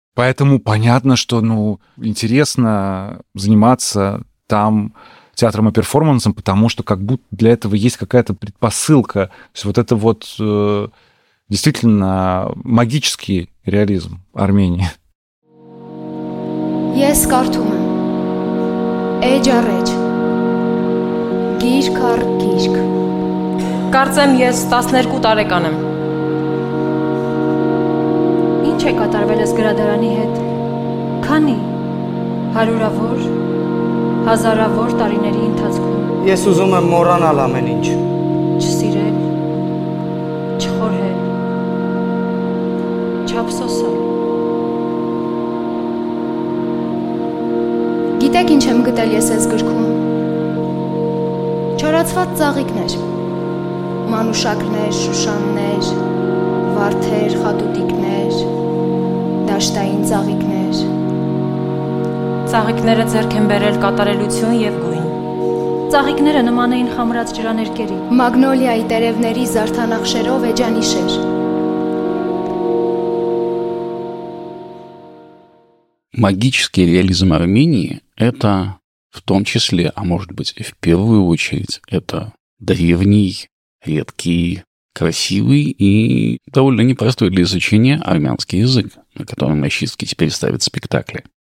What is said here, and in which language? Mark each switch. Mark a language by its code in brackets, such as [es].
[ru] Поэтому понятно, что, ну, интересно заниматься там театром и перформансом, потому что как будто для этого есть какая-то предпосылка. То есть вот это вот действительно магический реализм Армении. [hy] Ես կարդում եմ, էջ առ էջ, գիրք առ գիրք։ Կարծեմ ես 12 տարեկան եմ։ Ինչ է կատարվել ես գրադարանի հետ։ Քանի հարյուրավոր, հազարավոր տարիների ընթացքում։ Ես ուզում եմ մոռանալ ամեն ինչ։ Չսիրել, չխորհել, չափսոսել։ Գիտեք ինչ եմ գտել ես ես գրքում, չարացված ծաղիկներ, մանուշակներ, շուշաններ, վարդեր, խատուտիկներ, դաշտային ծաղիկներ։ Ծաղիկները ձերք են բերել կատարելություն և գույն։ Ծաղիկները նման էին խամրած ջրաներկերի, մագնոլիայի տերևների զարդանախշերով էջանիշեր։ [ru] Магический реализм Армении – это в том числе, а может быть и в первую очередь, это древний, редкий, красивый и довольно непростой для изучения армянский язык, на котором Мощицкий теперь ставит спектакли.